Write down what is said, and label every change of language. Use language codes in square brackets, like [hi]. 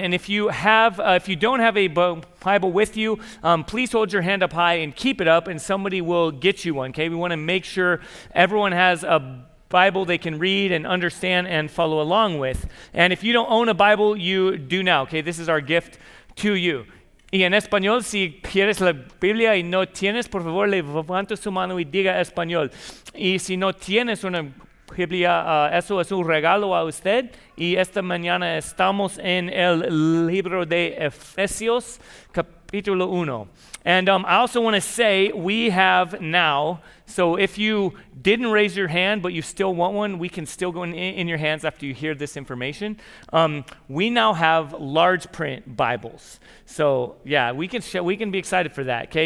[en] And if you have, if you don't have a Bible with you, please hold your hand up high and keep it up and somebody will get you one. Okay. We want to make sure everyone has a Bible they can read and understand and follow along with. And if you don't own a Bible, you do now. Okay, this is our gift to you. [es] Y en español, si quieres la Biblia y no tienes, por favor, levanta su mano y diga español. Y si no tienes una Biblia, eso es un regalo a usted. Y esta mañana estamos en el libro de Efesios, capítulo 1. [en] And I also want to say we have now, so if you didn't raise your hand but you still want one, we can still go in your hands after you hear this information. We now have large print Bibles. So yeah, we can be excited for that, okay?